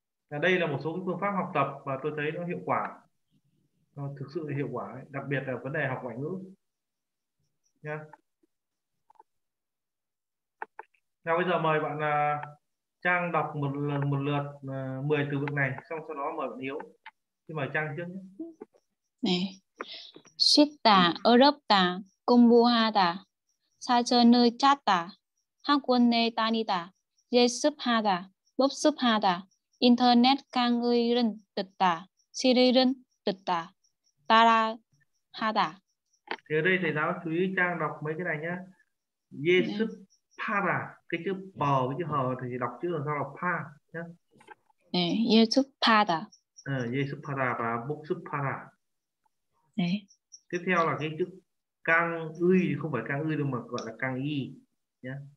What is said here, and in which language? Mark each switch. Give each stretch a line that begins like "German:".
Vietnamese: Và đây là một số phương pháp học tập và tôi thấy nó hiệu quả, nó thực sự là hiệu quả ấy. Đặc biệt là vấn đề học ngoại ngữ nha. Nào bây giờ mời bạn Trang đọc một lượt 10 từ vựng này xong sau đó mời bạn Hiếu. Xin mời Trang trước nhé. 네.
Korean: 쉽다, 어렵다, 공부하다, 사전을 찾다, 학원에 다니다, 예습하다, 복습하다, 인터넷 강의를 듣다, 시리를 듣다, 따라하다.
Vietnamese: Thì ở đây thầy giáo chú ý Trang đọc mấy cái này nhé.
Korean: 예습하다, 네.
Vietnamese: 그 chữ bò với chữ hờ thì đọc chữ sau là pa nhé.
Korean: 네, 예습하다. Yesupara và Buksupara.
Vietnamese: Đấy. Tiếp theo là cái chữ căng uy, không phải căng uy đâu mà gọi là căng y nhé.